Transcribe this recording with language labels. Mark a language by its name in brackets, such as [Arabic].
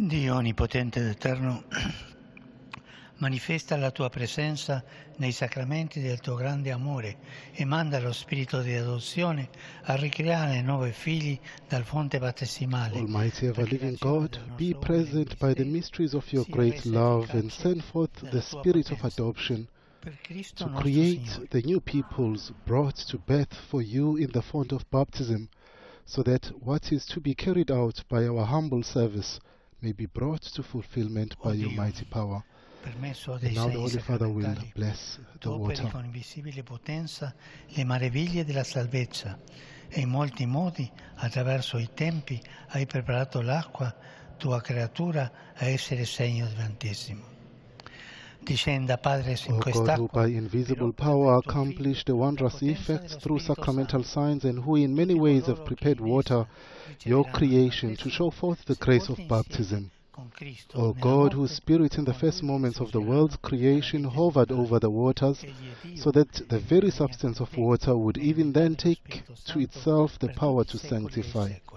[Italian] Onnipotente ed eterno, manifesta la tua presenza nei sacramenti del tuo grande amore e manda lo spirito di adozione a ricreare nuovi figli dal fonte battesimale. [English] Almighty ever living God, be present by the mysteries of your great love and send forth the spirit of adoption to create the new peoples brought to birth for you in the font of baptism, so that what is to be carried out by our humble service may be brought to fulfillment by your mighty power. And now the Holy Father will bless the water. [Italian] Con invisibile potenza le meraviglie della salvezza e in molti modi attraverso i tempi hai preparato l'acqua tua creatura a essere segno del Vantesimo. Discenda, Padre, in quest'acqua. [English] O God, who by invisible power accomplished the wondrous effects through sacramental signs and who in many ways have prepared water, your creation, to show forth the grace of baptism. O God, whose Spirit in the first moments of the world's creation hovered over the waters, so that the very substance of water would even then take to itself the power to sanctify.